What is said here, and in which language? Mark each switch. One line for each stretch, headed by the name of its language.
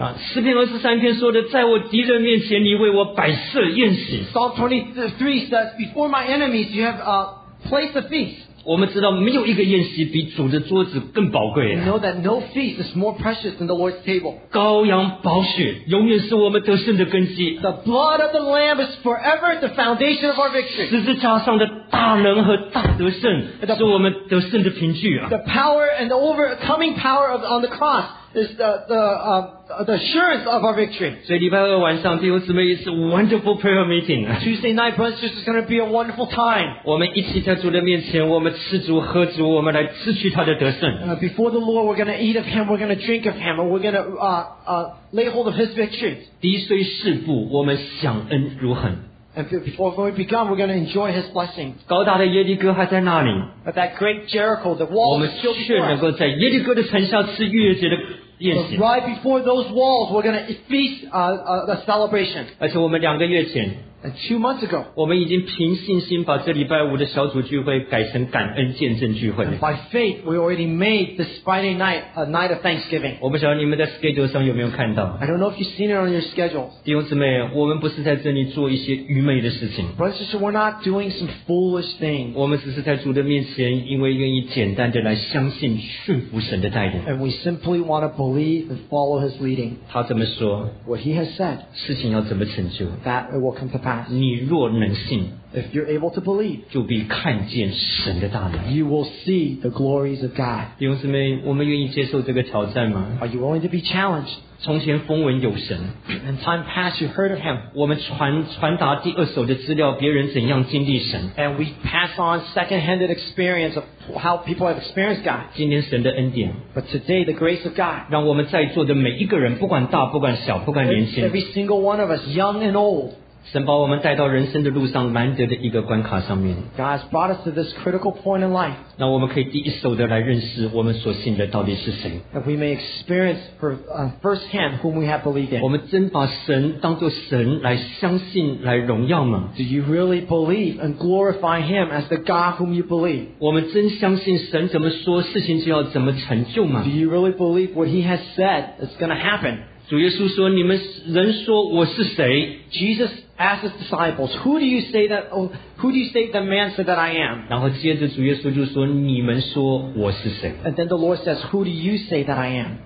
Chinese: 诗篇二十三篇说的，在我敌人面前，你为我摆设宴席。
English: Psalm 23 says, "Before my enemies, you have place the feast."
Chinese: 我们知道没有一个宴席比主的桌子更宝贵。
English: We know that no feast is more precious than the Lord's table.
Chinese: 羔羊宝血永远是我们得胜的根基。
English: The blood of the lamb is forever the foundation of our victory.
Chinese: 十字架上的大能和大得胜是我们得胜的凭据啊。
English: The power and the overcoming power of on the cross is the assurance of our victory.
Chinese: 所以礼拜二晚上弟兄姊妹是
English: wonderful prayer meeting. Tuesday night prayer service is going to be a wonderful time.
Chinese: 我们一起在主的面前，我们吃主喝主，我们来支取他的得胜。
English: Before the Lord, we're going to eat of Him, we're going to drink of Him, and we're going to lay hold of His victory.
Chinese: 敌虽势不，我们享恩如恒。
English: And before we begin, we're going to enjoy His blessing.
Chinese: 高大的耶利哥还在那里。
English: But that great Jericho, the wall is still before us.
Chinese: 我们却能够在耶利哥的城下吃逾越节的。
English: So right before those walls, we're going to feast a celebration.
Chinese: 而且我们两个月前
English: and 2 months ago,
Chinese: 我们已经凭信心把这礼拜五的小组聚会改成感恩见证聚会。
English: By faith, we already made this Friday night a night of Thanksgiving.
Chinese: 我不晓得你们在 schedule 上有没有看到。
English: I don't know if you've seen it on your schedule.
Chinese: 弟兄姊妹，我们不是在这里做一些愚昧的事情。
English: Brothers and sisters, we're not doing some foolish things.
Chinese: 我们只是在主的面前，因为愿意简单的来相信顺服神的带领。
English: And we simply want to believe. Believe and follow his leading.
Chinese: 他怎么说
English: What he has said.
Chinese: 事情要怎么成就
English: That it will come to pass. past,
Chinese: 你若能信,
English: if you're able to believe,
Chinese: 就必看见神的大能,
English: you will see the glories of God.
Chinese: 弟兄姊妹, 我们愿意接受这个挑战吗?
English: Are you willing to be challenged?
Chinese: 从前风闻有神,
English: in time past, you heard of him.
Chinese: 我们传达第二手的资料, 别人怎样经历神,
English: and we pass on second-handed experience of how people have experienced God.
Chinese: 今天神的恩典,
English: but today, the grace of God,
Chinese: 让我们在座的每一个人, 不管大, 不管小, 不管年轻,
English: every single one of us, young and old,
Chinese: 神把我们带到人生的路上难得的一个关卡上面。
English: God has brought us to this critical point in life.
Chinese: 那我们可以第一手的来认识我们所信的到底是谁。
English: That we may experience firsthand whom we have believed in.
Chinese: 我们真把神当作神来相信来荣耀吗？
English: Do you really believe and glorify him as the God whom you believe?
Chinese: 我们真相信神怎么说事情就要怎么成就吗？
English: Do you really believe what he has said is going to happen?
Chinese: 主耶稣说你们人说我是谁
English: Jesus asked his disciples who do you say the man said that I am
Chinese: 然后接着主耶稣就说你们说我是谁
English: And then the Lord says who do you say that I am